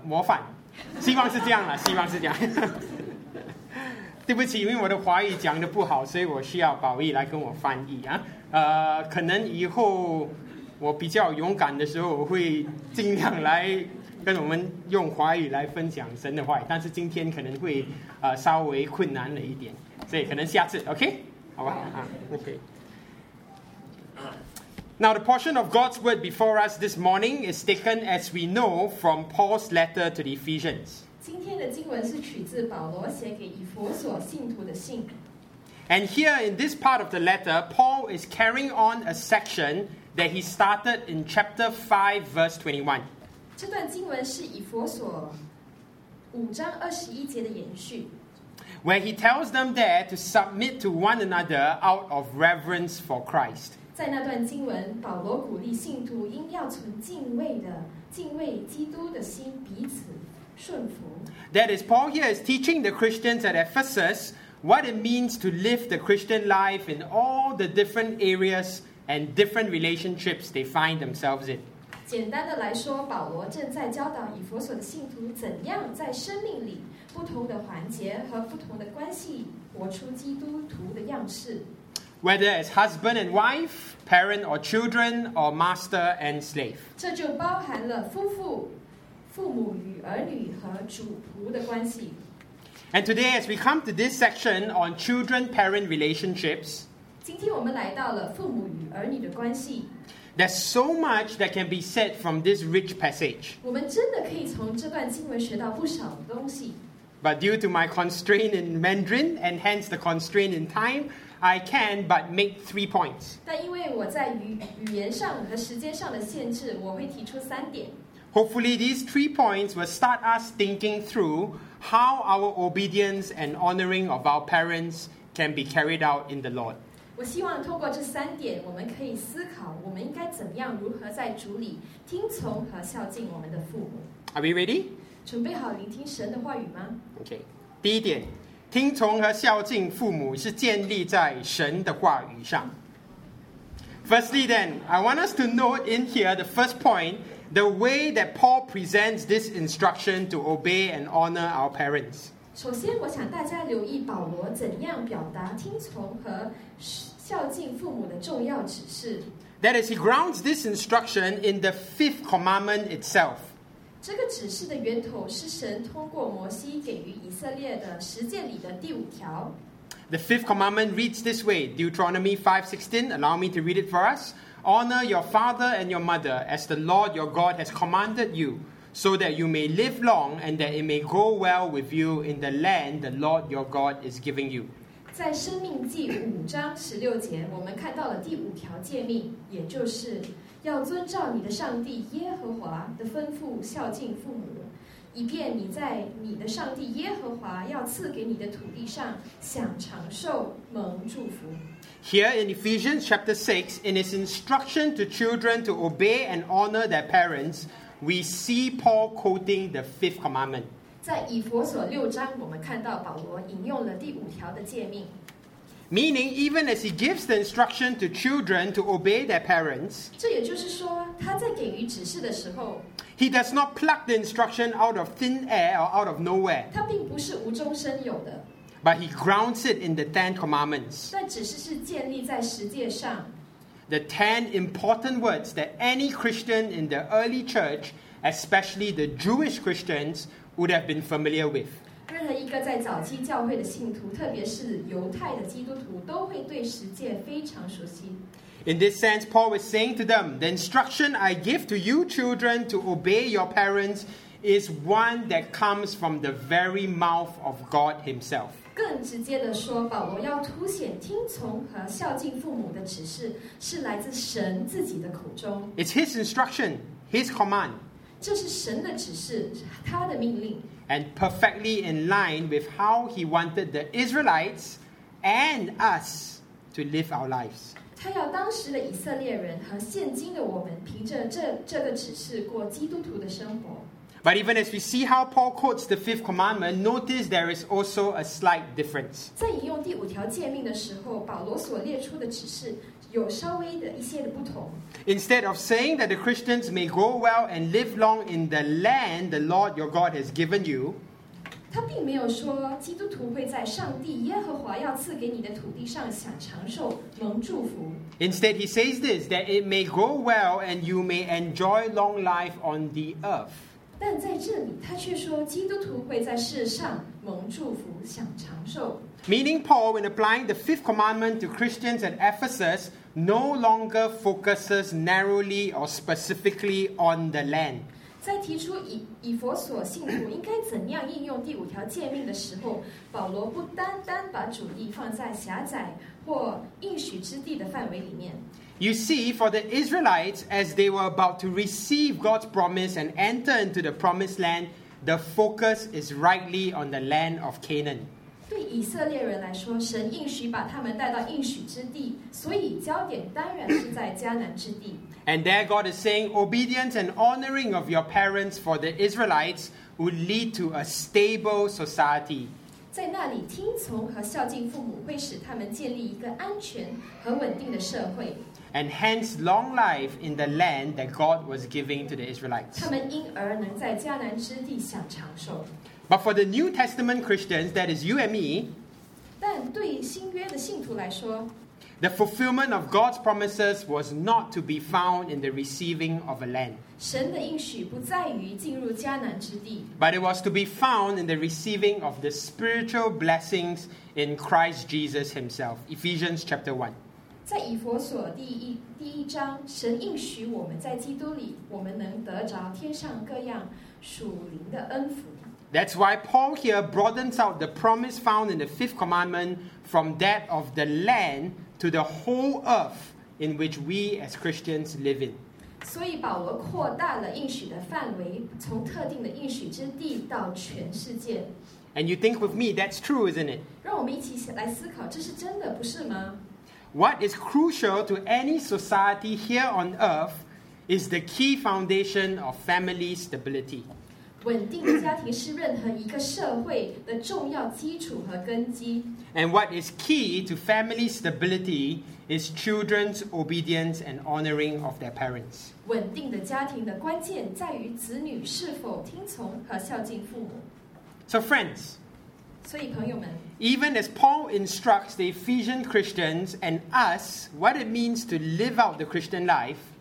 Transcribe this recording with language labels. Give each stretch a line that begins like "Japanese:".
Chinese: 模范，希望是这样了，希望是这样。对不起，因为我的华语讲的不好，所以我需要宝义来跟我翻译啊。可能以后我比较勇敢的时候，我会尽量来。跟我们用华语来分享神的话语，但是今天可能会稍微困难了一点，所以可能下次 OK 好吧。
English: Now the portion of God's word before us this morning is taken as we know from Paul's letter to the Ephesians.
Chinese: 今天的经文是取自保罗写给以弗所信徒的信。
English: And here in this part of the letter, Paul is carrying on a section that he started in chapter 5 verse 21.
Chinese: 这段经文是以弗所5章21节的延续。
English: Where he tells them there to submit to one another out of reverence for Christ.
Chinese: 在那段经文，保罗鼓励信徒应要存敬畏基督的心，彼此顺服。
English: That is, Paul here is teaching the Christians at Ephesus what it means to live the Christian life in all the different areas and different relationships they find themselves in.
Chinese: 简单的来说，保罗正在教导以弗所的信徒怎样在生命里不同的环节和不同的关系活出基督徒的样式。
English: Whether as husband and wife, parent or children, or master and slave.
Chinese: 这就包含了夫妇、父母与儿女和主仆的关系。
English: And today, as we come to this section on children-parent relationships,
Chinese: 今天我们来到了父母与儿女的关系。
English: There's so much that can be said from this rich passage.
Chinese: 我们真的可以从这段经文学到不少东西。
English: But due to my constraint in Mandarin and hence the constraint in time, I can but make 3 points.
Chinese: 但因为我在语言上和时间上的限制，我会提出三点。
English: Hopefully, these 3 points will start us thinking through how our obedience and honoring of our parents can be carried out in the Lord.
Chinese: 我希望透过这三点，我们可以思考我们应该怎么样如何在主里听从和孝敬我们的父母。
English: Are we ready?
Chinese: 准备好聆听神的话语吗？ OK， 第一点，听从和孝敬父母是建立在神的话语上。
English: Firstly then, I want us to note in here the first point, the way that Paul presents this instruction to obey and honor our parents.
Chinese: 首先，我想大家留意保罗怎样表达听从和孝敬父母的重要指示。
English: That is, he grounds this instruction in the fifth commandment itself.
Chinese: 这个指示的源头是神通过摩西给予以色列的十诫里的第五条。
English: The fifth commandment reads this way, Deuteronomy 5:16. Allow me to read it for us. Honor your father and your mother, as the Lord your God has commanded you. So that you may live long and that it may go well with you in the land the Lord your God is giving you.
Chinese: 在生命记五章十六节，我们看到了第五条诫命，也就是要遵照你的上帝耶和华的吩咐孝敬父母，以便你在你的上帝耶和华要赐给你的土地上享长寿蒙祝福。
English: Here in Ephesians chapter 6, in his instruction to children to obey and honor their parents, we see Paul quoting the fifth commandment.
Chinese: 在以弗所六章，我们看到保罗引用了第五条的诫命。
English: Meaning, even as he gives the instruction to children to obey their parents,
Chinese: 这也就是说，他在给予指示的时候，
English: he does not pluck the instruction out of thin air or out of nowhere.
Chinese: 他并不是无中生有的。
English: But he grounds it in the Ten Commandments.
Chinese: 但只是是建立在十诫上。
English: The ten important words that any Christian in the early church, especially the Jewish Christians, would have been familiar with.
Chinese: 任何一个在早期教会的信徒，特别是犹太的基督徒，都会对十诫非常熟悉。
English: In this sense, Paul was saying to them, "The instruction I give to you, children, to obey your parents." Is one that comes from the very mouth of God Himself.
Chinese: 更直接的说，保罗要凸显听从和孝敬父母的指示是来自神自己的口中。
English: It's His instruction, His command.
Chinese: 这是神的指示，他的命令。
English: And perfectly in line with how He wanted the Israelites and us to live our lives.
Chinese: 他要当时的以色列人和现今的我们，凭着这个指示过基督徒的生活。
English: But even as we see how Paul quotes the fifth commandment, notice there is also a slight difference.
Chinese: 在引用第五条诫命的时候，保罗所列出的指示有稍微的一些的不同。
English: Instead of saying that the Christians may grow well and live long in the land the Lord your God has given you,
Chinese: 他并没有说基督徒会在上帝耶和华要赐给你的土地上享长寿蒙祝福。
English: Instead, he says this, that it may grow well and you may enjoy long life on the earth.
Chinese: 但在这里，他却说基督徒会在世上蒙祝福，享长寿。
English: Meaning Paul, when applying the fifth commandment to Christians at Ephesus, no longer focuses narrowly or specifically on the land.
Chinese: 在提出以弗所信徒应该怎样应用第五条诫命的时候，保罗不单单把主力放在狭窄或应许之地的范围里面。
English: You see, for the Israelites, as they were about to receive God's promise and enter into the promised land, the focus is rightly on the land of Canaan.
Chinese: 对以色列人来说，神应许把他们带到应许之地，所以焦点当然是在迦南之地。
English: And there God is saying, obedience and honoring of your parents for the Israelites would lead to a stable society.
Chinese: 在那里，听从和孝敬父母会使他们建立一个安全和稳定的社会。
English: And hence, long life in the land that God was giving to the Israelites.
Chinese: 他们因而能在迦南之地享长寿。
English: But for the New Testament Christians, that is you and me.
Chinese: 但对新约的信徒来说，
English: the fulfillment of God's promises was not to be found in the receiving of a land.
Chinese: 神的应许不在于进入迦南之地。
English: But it was to be found in the receiving of the spiritual blessings in Christ Jesus himself. Ephesians chapter 1.
Chinese: 在以弗所第一章，神应许我们在基督里，我们能得着天上各样属灵的恩福。
English: That's why Paul here broadens out the promise found in the fifth commandment from that of the land to the whole earth in which we as Christians live in.
Chinese: 所以保罗扩大了应许的范围，从特定的应许之地到全世界。
English: And you think with me, that's true, isn't it?
Chinese: 让我们一起来思考，这是真的，不是吗？
English: What is crucial to any society here on earth is the key foundation of family stability.
Chinese: 稳定的家庭是任何一个社会的重要基础和根基。
English: And what is key to family stability is children's obedience and honoring of their parents.
Chinese: 稳定的家庭的关键在于子女是否听从和孝敬父母。
English: So friends,
Chinese: 所以朋友们,
English: even as Paul instructs the Ephesian Christians and us what it means to live out the Christian life,